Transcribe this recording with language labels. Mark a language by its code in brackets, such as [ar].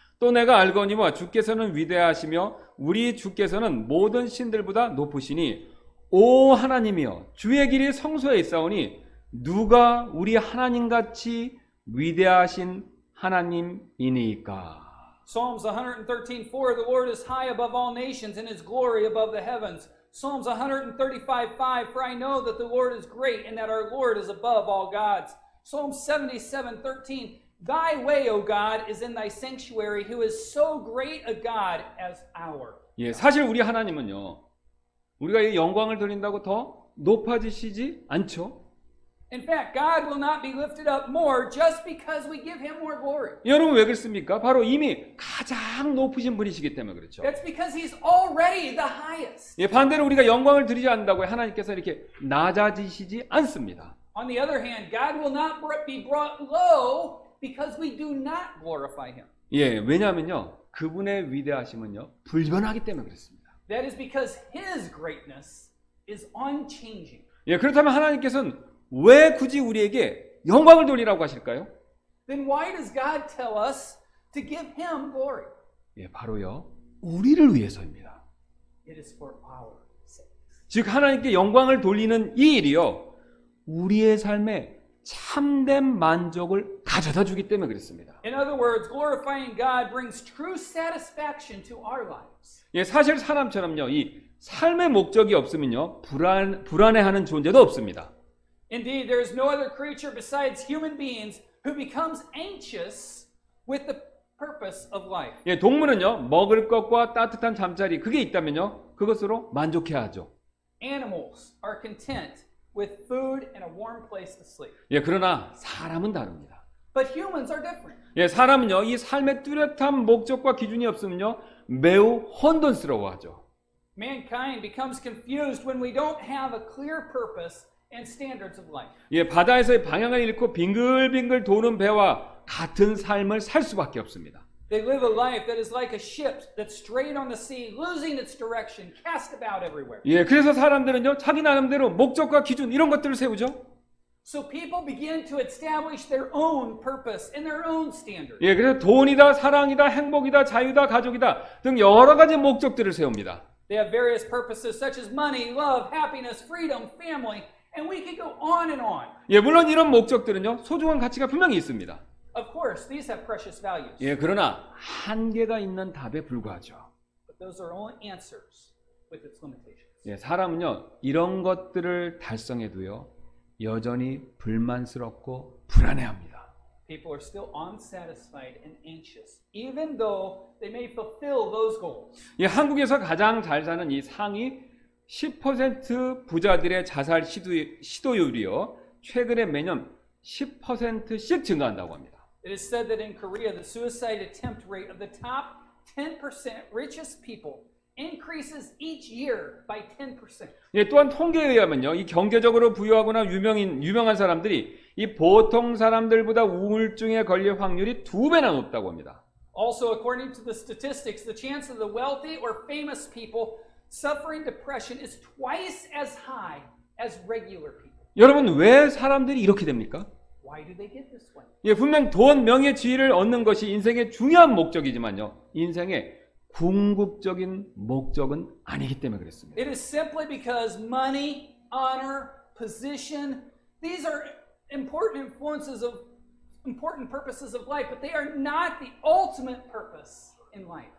[ko] 또 내가 알거니와 주께서는 위대하시며 우리 주께서는 모든 신들보다 높으시니 오 하나님이여 주의 길이 성소에 있사오니 누가 우리 하나님같이 위대하신 하나님이니까. [en] Psalms 113:4 The Lord is high above all nations and his glory above the heavens. Psalms 135:5 For I know that the Lord is great and that our Lord is above all gods. Psalm 77:13 Thy way, O God, is in thy sanctuary who is so great a God as our. [ko] 예, 사실 우리 하나님은요. 우리가 이 영광을 드린다고 더 높아지시지 않죠? [en] In fact, God will not be lifted up more just because we give him more glory. [ko] 여러분 왜 그렇습니까? 바로 이미 가장 높으신 분이시기 때문에 그렇죠. [en] That's because he's already the highest. [ko] 예, 반대로 우리가 영광을 드리지 않는다고 하나님께서 이렇게 낮아지시지 않습니다. [en] On the other hand, God will not be brought low because we do not glorify him. [ko] 예, 왜냐면요. 그분의 위대하심은요. 불변하기 때문에 그렇습니다. [en] That is because his greatness is unchanging. [ko] 예, 그렇다면 하나님께서는 왜 굳이 우리에게 영광을 돌리라고 하실까요? [en] Then why does God tell us to give him glory? [ko] 예, 바로요. 우리를 위해서입니다. [en] It is for our sake. [ko] 즉 하나님께 영광을 돌리는 이 일이요. 우리의 삶에 참된 만족을 가져다 주기 때문에 그랬습니다. [en] In other words, glorifying God brings true satisfaction to our lives. [ko] 예, 사실 사람처럼요. 이 삶의 목적이 없으면요. 불안해하는 존재도 없습니다. [en] Indeed, there is no other creature besides human beings who becomes anxious with the purpose of life. [ko] 예, 동물은요. 먹을 것과 따뜻한 잠자리 그게 있다면요. 그것으로 만족해야 하죠. [en] Animals are content with food and a warm place to sleep. [ko] 예, 그러나 사람은 다릅니다. [en] But humans are different. [ko] 예, 사람은요. 이 삶의 뚜렷한 목적과 기준이 없으면요. 매우 혼돈스러워하죠. [en] Mankind becomes confused when we don't have a clear purpose and standards of life. [ko] 예, 바다에서의 방향을 잃고 빙글빙글 도는 배와 같은 삶을 살 수밖에 없습니다. [en] They live a life that is like a ship that's strayed on the sea, losing its direction, cast about everywhere. [ko] 예, 그래서 사람들은요, 자기 나름대로 목적과 기준 이런 것들을 세우죠. [en] So people begin to establish their own purpose and their own standards. [ko] 예, 그래서 돈이다, 사랑이다, 행복이다, 자유다, 가족이다 등 여러 가지 목적들을 세웁니다. [en] They have various purposes such as money, love, happiness, freedom, family, and we could go on and on. [ko] 예, 물론 이런 목적들은요, 소중한 가치가 분명히 있습니다. [en] Of course, these have precious values. [ko] 예, 그러나 한계가 있는 답에 불과하죠. [en] But those are only answers with its limitations. [ko] 예, 사람은요 이런 것들을 달성해도요 여전히 불만스럽고 불안해합니다. [en] People are still unsatisfied and anxious, even though they may fulfill those goals. [ko] 예, 한국에서 가장 잘 사는 이 상위 10% 부자들의 자살 시도율이요 최근에 매년 10%씩 증가한다고 합니다. [en] It is said that in Korea, the suicide attempt rate of the top 10% richest people increases each year by 10%. [ko] 예, 또한 통계에 의하면요, 이 경제적으로 부유하거나 유명한 사람들이 이 보통 사람들보다 우울증에 걸릴 확률이 두 배나 높다고 합니다. [en] Also, according to the statistics, the chance of the wealthy or famous people suffering depression is twice as high as regular people. [ko] 여러분, 왜 사람들이 이렇게 됩니까? [en] Why do they get this one? [ko] 예, 분명 돈, 명예, 지위를 얻는 것이 인생의 중요한 목적이지만요. 인생의 궁극적인 목적은 아니기 때문에 그랬습니다. [en] It is simply because money, honor, position, these are important influences of important purposes of life, but they are not the ultimate purpose in life.